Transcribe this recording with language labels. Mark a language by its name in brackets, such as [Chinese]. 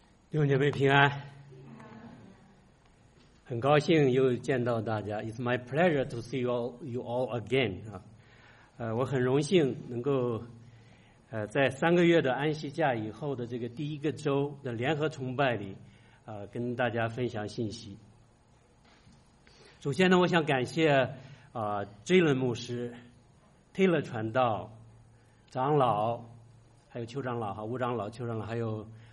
[Chinese] 弟兄姐妹平安，很高兴又见到大家。 [English] It's my pleasure to see you all again. [Chinese] 我很荣幸能够，在三个月的安息假以后的这个第一个周的联合崇拜里，跟大家分享信息。首先呢，我想感谢Jalen 牧师、Taylor 传道、长老，还有邱长老哈、吴长老、邱长老，还有。